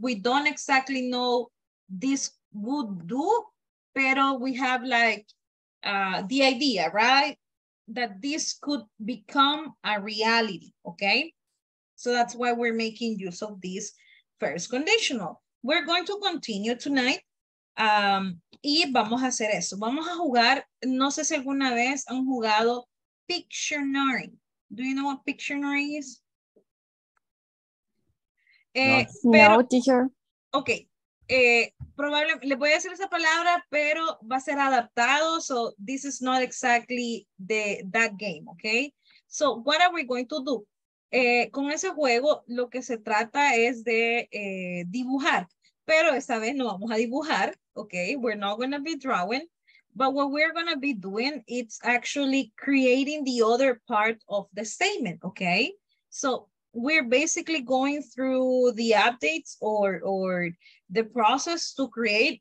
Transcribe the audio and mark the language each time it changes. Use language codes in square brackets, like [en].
[en] We don't exactly know this would do, pero we have like the idea, right? That this could become a reality, okay? So that's why we're making use of this first conditional. We're going to continue tonight [es] y vamos a hacer eso. Vamos a jugar, no sé si alguna vez han jugado Pictionary. [en] Do you know what Pictionary is? No, teacher. [es] Ok, probablemente, le voy a decir esa palabra, pero va a ser adaptado, [en] so this is not exactly that game, [es] ok? [en] So what are we going to do? [es] Con ese juego, lo que se trata es de dibujar. Pero esta vez no vamos a dibujar, okay? [en] We're not gonna be drawing, but what we're gonna be doing, it's actually creating the other part of the statement, okay? So we're basically going through the updates or the process to create.